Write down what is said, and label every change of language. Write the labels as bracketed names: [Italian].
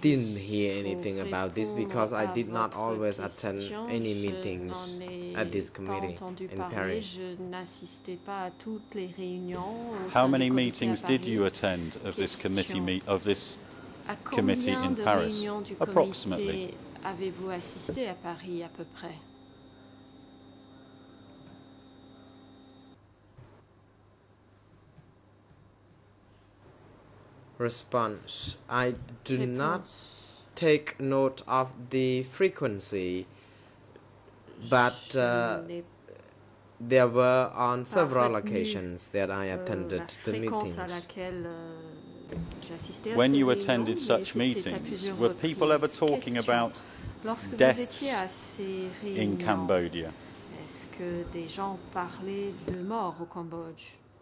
[English] Didn't hear anything about this because I did not always attend any meetings at this committee in Paris. [French] Je n'assistais pas à toutes les réunions. [English] How many meetings did you attend of this committee of this committee in Paris? Approximately. [French] Avez-vous assisté à Paris à peu près? [English] Response: I do not take note of the frequency, but there were on several occasions that I attended the meetings. When you attended such meetings, were people ever talking about deaths in Cambodia? [French] Est-ce que des gens parlaient de mort au Cambodge?